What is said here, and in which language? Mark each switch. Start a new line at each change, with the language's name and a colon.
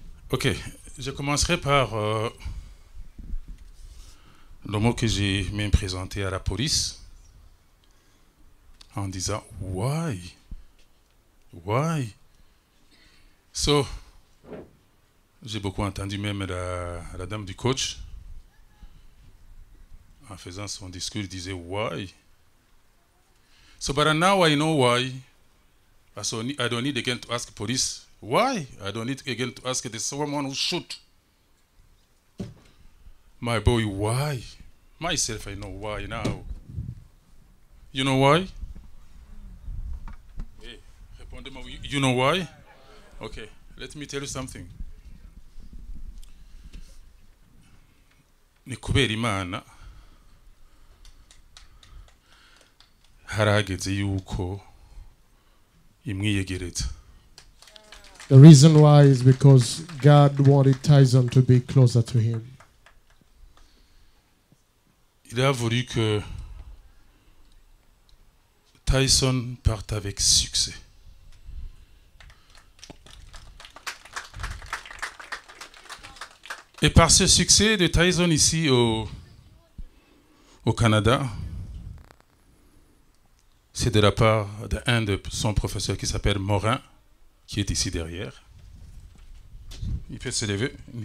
French: OK, je commencerai par le mot que j'ai même présenté à la police en disant
English: why? Why?
French: So, j'ai beaucoup entendu même la dame du coach en faisant son discours, disait why?
English: So, but now I know why. So, I don't need again to ask police why? I don't need again to ask the someone who shoot my boy why? Myself, I know why now. You know why? You know why? Okay, let me tell you something.
Kinyarwanda: Ni kubera Imana harageze yuko imwiyegereza.
English: The reason why is because God wanted Tyson to be closer to him.
French: Il a voulu que Tyson parte avec succès. Et par ce succès de Tyson ici au Canada, c'est de la part d'un de son professeur qui s'appelle Morin, qui est ici derrière. Il peut se lever.